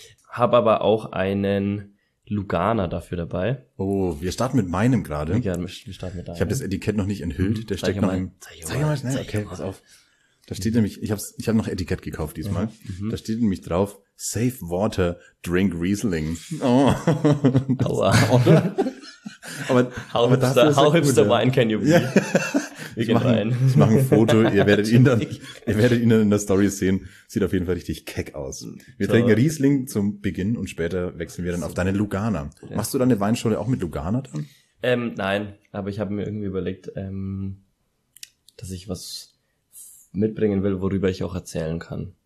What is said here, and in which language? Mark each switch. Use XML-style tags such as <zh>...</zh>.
<de>Habe aber auch einen Lugana dafür dabei. Oh, wir starten mit meinem gerade. Ja, wir starten mit deinem. Ich habe das Etikett noch nicht enthüllt. Der steckt noch im. Zeig mal schnell. Okay, pass auf. Da steht nämlich, ich habe noch Etikett gekauft diesmal. Da steht nämlich drauf:</de> <en>Safe Water, Drink Riesling.</en> <de>Oh. Aua. Aber</de> <en>how hipster wine can you be?</en> <de>Ich mache ein Foto. Ihr werdet ihn dann in der Story sehen. Sieht auf jeden Fall richtig keck aus. Wir trinken Riesling zum Beginn und später wechseln wir dann auf deine Lugana. Ja. Machst du deine Weinschule auch mit Lugana dann? Nein, aber ich habe mir irgendwie überlegt, dass ich was mitbringen will, worüber ich auch erzählen kann.</de>